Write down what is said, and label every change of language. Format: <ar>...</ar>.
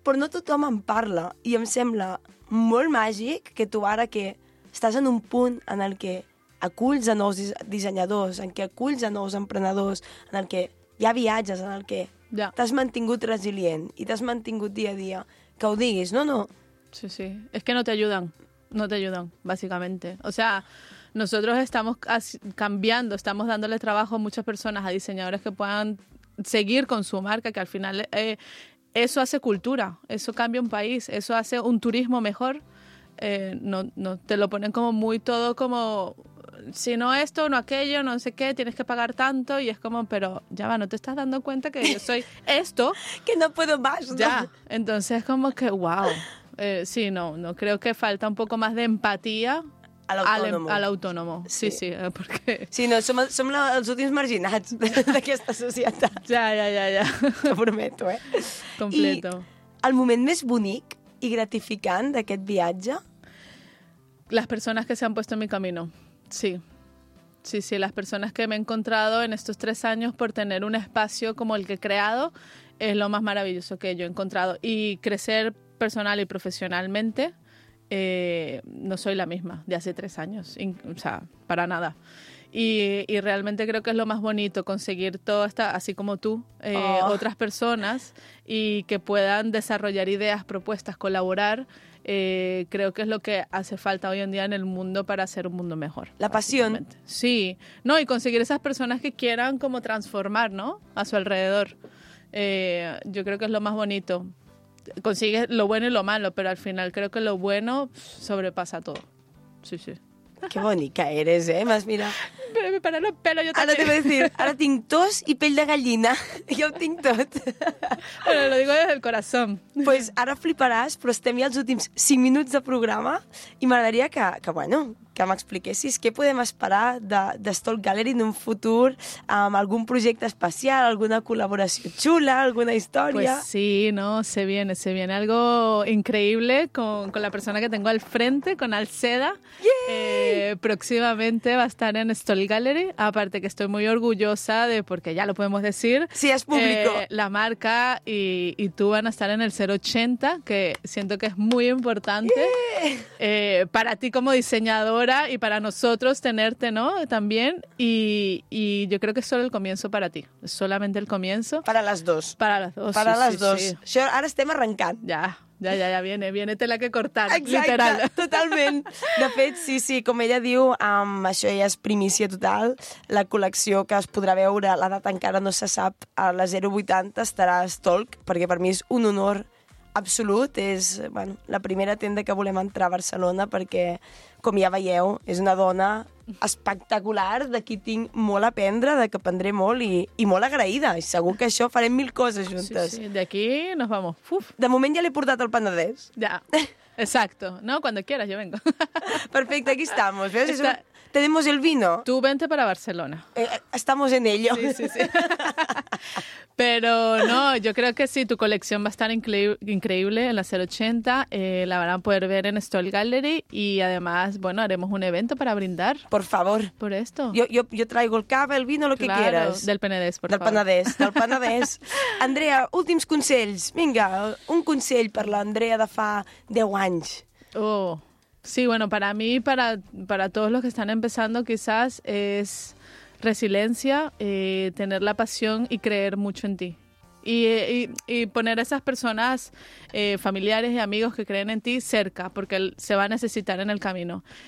<ca>Però no tothom en parla, i em sembla molt màgic que tu ara que estàs en un punt en el que aculls a nous dissenyadors, en què aculls a nous emprenedors, en el que hi ha viatges, en el que t'has mantingut resilient i t'has mantingut dia a dia, que ho diguis, no, no. Sí, sí, és que no t'ajuden, no t'ajuden, bàsicament.</ca> <es>O sea, nosotros estamos cambiando, estamos dándole trabajo a muchas personas, a diseñadores que puedan seguir con su marca, que al final eso hace cultura, eso cambia un país, eso hace un turismo mejor. No te lo ponen como muy todo como si no esto, no aquello, no sé qué, tienes que pagar tanto y es como, pero ya va, ¿no te estás dando cuenta que yo soy esto? Que no puedo más, ¿no? Ya, entonces como que wow. Sí, no creo que falta un poco más de empatía al autónomo. Sí, sí, sí, porque...</es> <ca>Sí, no, som els últims marginats d'aquesta societat. Ja. T'ho prometo, eh?</ca> <es>Completo.</es> <ca>I el moment més bonic i gratificant d'aquest viatge? Les persones que</ca> <es>se han puesto en mi camino, sí. Sí, sí, las personas que me he encontrado en estos 3 años por tener un espacio como el que he creado es lo más maravilloso que yo he encontrado. Y crecer personal y profesionalmente... no soy la misma de hace 3 años, o sea, para nada. Y realmente creo que es lo más bonito conseguir todo esto, así como tú, otras personas, y que puedan desarrollar ideas, propuestas, colaborar. Creo que es lo que hace falta hoy en día en el mundo para hacer un mundo mejor. La pasión. Sí, no, y conseguir esas personas que quieran como transformar, ¿no?, a su alrededor. Yo creo que es lo más bonito. Consigues lo bueno y lo malo, pero al final creo que lo bueno sobrepasa todo. Sí, sí. Qué bonica eres, ¿eh? Más mira. Me paran los pelos, yo también. Ahora te voy a decir, ahora</es> <ca>tinc tos y pell de gallina. Yo tinc tot.</ca> <es>Bueno, lo digo desde el corazón. Pues ahora fliparás,</es> <ca>pero estem ja els últims 5 minuts de programa y m'agradaria que bueno, que m'expliquessis què podem esperar de Stolk Gallery en un futur, amb algun projecte especial, alguna col·laboració xula, alguna història.</ca> <es>Pues sí, no, se viene algo increíble con la persona que tengo al frente, con Alceda.</es> <en>Yeah.</en> <es>Próximamente va a estar en Stolk Gallery, aparte que estoy muy orgullosa de, porque ya lo podemos decir. Sí, es público. La marca y tú van a estar en el 080, que siento que es muy importante.</es> <en>Yeah.</en> <es>Para ti como diseñador, y para nosotros tenerte, ¿no?, también. Y yo creo que es solo el comienzo para ti. Solamente el comienzo. Para las dos. Para las dos. Para sí, las sí, dos. Sí. Yo ahora</es> <ca>estem arrencant.</ca> <es>Ja, viene. Viene tela que cortar.</es> <ca>Exacte, literal. Totalment. De fet, sí, sí, com ella diu, això ja és primícia total. La col·lecció que es podrà veure, la data encara no se sap, a la 080 estarà Stolk, perquè per mi és un honor absolut. És, bueno, la primera tenda que volem entrar a Barcelona perquè... Com ja veieu, és una dona espectacular, de qui tinc molt a aprendre, de que aprendré molt i molt agraïda. I segur que això farem mil coses juntes.</ca> <es>Sí, sí, d'aquí nos vamos. Uf.</es> <ca>De moment ja l'he portat al Penedès.</ca> <es>Ja, exacto. No, cuando quieras yo vengo. Perfecte, aquí estamos. ¿Ves? Esta... Tenemos el vino. Tú vente para Barcelona. Estamos en ello. Sí, sí, sí. Pero no, yo creo que sí, tu colección va a estar increíble en la 080. La van a poder ver en Stolk Gallery y además, bueno, haremos un evento para brindar. Por favor. Por esto. Yo traigo el cava, el vino, lo claro, que quieras. Del Penedès, por del favor.</es> <ca>Penedès, del Penedès. Andrea, últims consells. Vinga, un consell per l'Andrea de fa 10 anys. Oh...</ca> <es>Sí, bueno, para mí, para todos los que están empezando, quizás es resiliencia, tener la pasión y creer mucho en ti. Y poner a esas personas, familiares y amigos que creen en ti, cerca, porque se va a necesitar en el camino.</es>